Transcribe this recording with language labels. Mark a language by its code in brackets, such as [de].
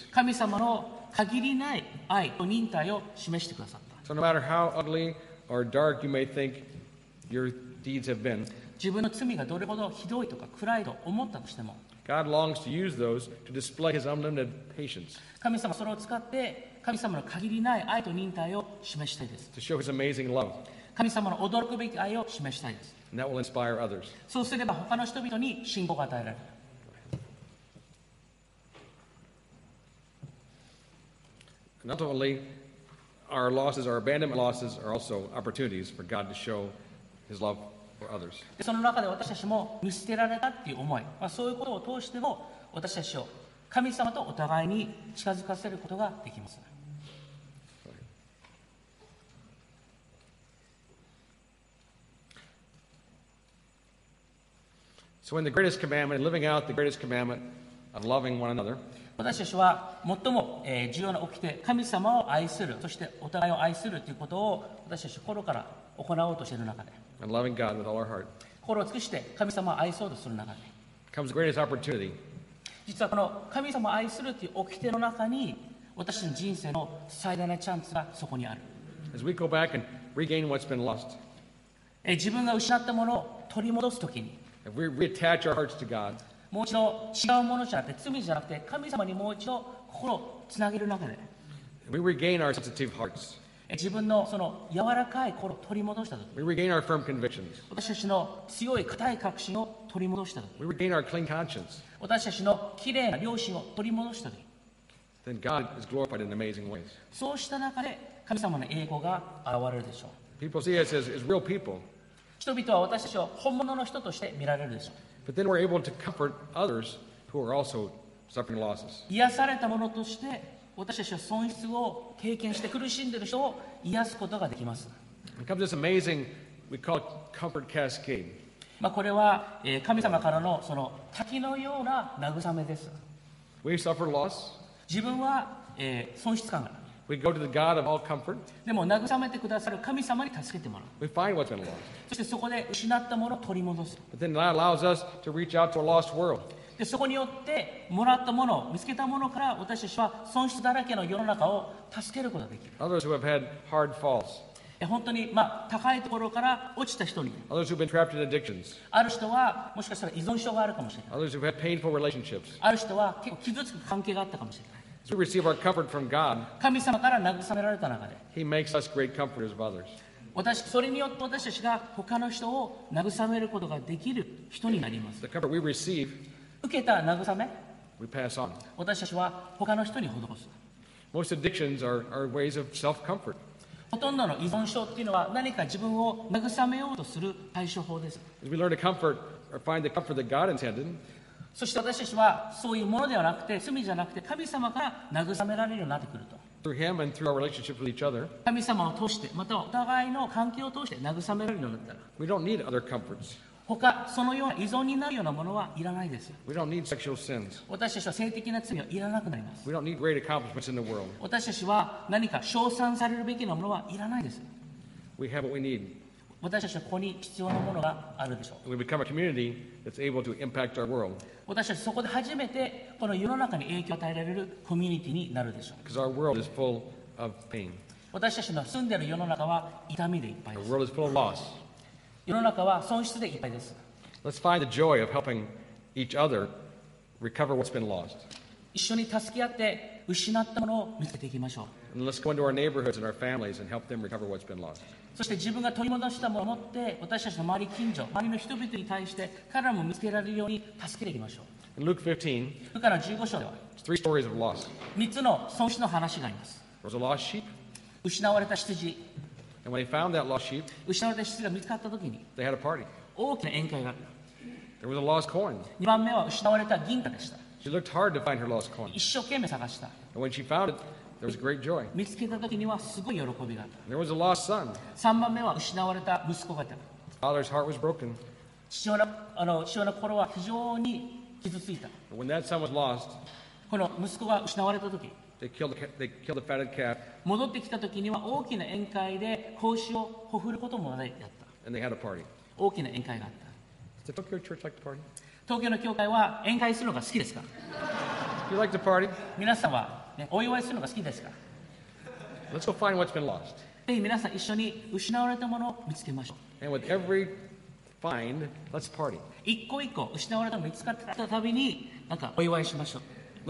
[ja] 神様の限りない愛と忍耐を示してくださった [en] So no matter how ugly or dark you may think your deeds have been, [ja] 自分の罪がどれほどひどいとか暗いと思ったとしても、 [en] God longs to use those to display His unlimited patience. [ja] 神様はそれを使って神様の限りない愛と忍耐を示したいです。 [en] To show His amazing love. [ja] 神様の驚くべき愛を示したいです。 [en] And that will inspire others. [ja] そうすれば他の人々に信仰が与えられる。 [en] Not only our losses, our abandonment losses are also opportunities for God to show His love for others. [ja] その中で私たちも見捨てられたっていう思い、まあ、そういうことを通しても私たちを神様とお互いに近づかせることができます。 [en] So in the greatest commandment, living out the greatest commandment of loving one another, [ja] 私たちは最も重要な掟、神様を愛する、そしてお互いを愛するということを私たち心から行おうとしている中で、 [en] and loving God with all our heart, [ja] 心を尽くして神様を愛そうとする中で、 [en] comes the greatest opportunity. [ja] 実はこの神様を愛するという掟の中に、私たちの人生の最大なチャンスがそこにある。 [en] As we go back and regain what's been lost, [ja] 自分が失ったものを取り戻すときに、 [en] if we reattach our hearts to God, [ja] もう一度違うものじゃなくて罪じゃなくて神様にもう一度心をつなげる中で [en] we regain our sensitive hearts. [ja] 自分のその柔らかい心を取り戻した時 [en] we regain our firm convictions. [ja] 私たちの強い固い確信を取り戻した時 [en] we regain our clean conscience. [ja] 私たちのきれいな良心を取り戻した時 [en] then God is glorified in amazing ways. [ja] そうした中で神様の栄光が現れるでしょう [en] people see us as real people. [ja] 人々は私たちを本物の人として見られるでしょう [en] But then we're able to comfort others who are also suffering losses. [ja] 癒された者として、私たちは損失を経験して苦しんでいる人を癒すことができます。 [en] It comes this amazing, we call it comfort cascade. [ja] まあこれは神様からのその滝のような慰めです。 [en] We suffer loss. [ja] 自分は損失感が [en] We go to the God of all comfort. [ja] でも慰めてくださる神様に助けてもらう。 [en] We find what's been lost. [ja] そしてそこで失ったものを取り戻す。 [en] But then that allows us to reach out to a lost world. [ja] でそこによってもらったもの、見つけたものから私たちは損失だらけの世の中を助けることができる。 [en] Others who have had hard falls. [ja] 本当にまあ高いところから落ちた人に。 [en] Others who've been trapped in addictions. [ja] ある人はもしかしたら依存症があるかもしれない。 [en] Others who've had painful relationships. [ja] ある人は結構傷つく関係があったかもしれない。 [en] We receive our comfort from God. [ja] 神様から慰められた中で、 [en] He makes us great comforters of others. [ja] 私それによって私たちが他の人を慰めることができる人になります。 [en] The comfort we receive, [ja] 受けた慰め、 [en] we pass on. [ja] 私たちは他の人に施す。 [en] Most addictions are ways of self-comfort. [ja] ほとんどの依存症っていうのは何か自分を慰めようとする対処法です。 [en] As we learn to comfort or find the comfort that God intended. [ja] そして私たちはそういうものではなくて罪じゃなくて神様から慰められるようになってくると [en] through him and through our relationship with each other, [ja] 神様を通してまたはお互いの関係を通して慰められるようになったら [en] we don't need other comforts. [ja] 他そのような依存になるようなものはいらないです [en] we don't need sexual sins. [ja] 私たちは性的な罪はいらなくなります [en] we don't need great accomplishments in the world. [ja] 私たちは何か称賛されるべきなものはいらないです [en] we have what we need. [ja] 私たちはここに必要なものがあるでしょう。 [en] We become a community that's able to impact our world. [ja] 私たちはそこで初めてこの世の中に影響を与えられるコミュニティになるでしょう。 [en] Because our world is full of pain. [ja] 私たちの住んでいる世の中は痛みでいっぱいです。 [en] Our world is full of loss. [ja] 世の中は損失でいっぱいです。 [en] Let's find the joy of helping each other recover what's been lost. [ja] 一緒に助け合って失ったものを見つけていきましょう。 [en] And let's go into our neighborhoods and our families and help them recover what's been lost. [ja] そして自分が取り戻したものを持って私たちの周り近所周りの人々に対して彼らも見つけられるように助けていきましょう。 [en] In Luke 15, [ja] ルカの15章では [en] three stories of loss. [ja] 三つの損失の話があります。 [en] There was a lost sheep. [ja] 失われた羊。 [en] And when they found that lost sheep, [ja] 失われた羊が見つかったときに [en] they had a party. [ja] 大きな宴会があった。 [en] There was a lost coin. [ja] 二番目は失われた銀貨でした。 [en] She looked hard to find her lost coin. [ja] 一生懸命探した。 [en] And when she found it,There was great joy. [ja] 見つけた時にはすごい喜びがあった。 [en] There was a lost son. [ja] 三番目は失われた息子がいた。 [en] Father's heart was broken. [ja] 父親の心は非常に傷ついた。 [en] When that son was lost, [ja] この息子が失われた時、 [en] they killed the fatted calf. [ja] 戻ってきた時には大きな宴会で子牛をほふることもないやった。 [en] And they had a party. [ja] 大きな宴会があった。 [en] Does the Tokyo church like the party? [ja] 東京の教会は宴会するのが好きですか [en] ？You like the party? [ja] 皆さんは。お祝いするのが好きですか [en] Let's go find what's been lost. [ja] ぜひ皆さん一緒に失われたものを見つけましょう。 [en] And with every find, let's party. [ja] 一個一個失われたものを見つかったたびに、なんかお祝いしましょう。